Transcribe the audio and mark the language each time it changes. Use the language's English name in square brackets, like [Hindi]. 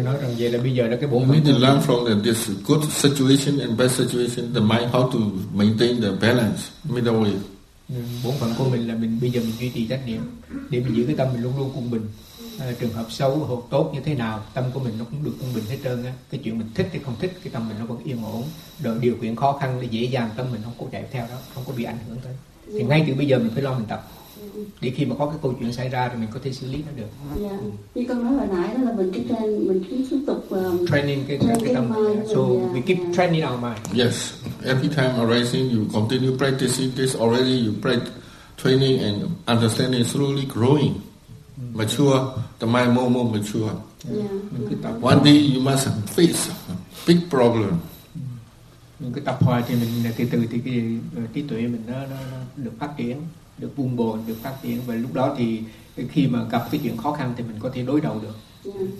[English] need to learn from this good situation and bad situation, the mind, how to maintain the balance, middle way. [Vietnamese] Bốn phần của mình là mình bây giờ mình duy trì trách nhiệm để mình giữ cái tâm mình luôn luôn quân bình. Trường hợp xấu hoặc tốt như thế nào, tâm của mình nó cũng được quân bình hết trơn á. Cái chuyện mình thích hay không thích, cái tâm mình nó vẫn yên ổn. Đợi điều kiện khó khăn để dễ dàng, tâm mình không có chạy theo đó, không có bị ảnh hưởng tới. Thì ngay từ bây giờ mình phải lo mình tập. Để khi mà có cái câu chuyện xảy ra thì mình có thể xử lý nó được. [English] Yeah. [Vietnamese] Như con nói hồi nãy đó là mình cứ train, mình cứ tiếp tục [English] training [Vietnamese] cái tâm. [English] So yeah, we keep training our mind. Yes, every time arising, you continue practicing this. Already you practice training and understanding, slowly growing, mature. The mind more mature. Yeah. Yeah. One day you must face a big problem. [Vietnamese] Mình cứ tập hoài thì mình từ từ thì cái trí tuệ mình nó được phát triển, được bung bồn, được phát triển, và lúc đó thì khi mà gặp cái chuyện khó khăn thì mình có thể đối đầu được.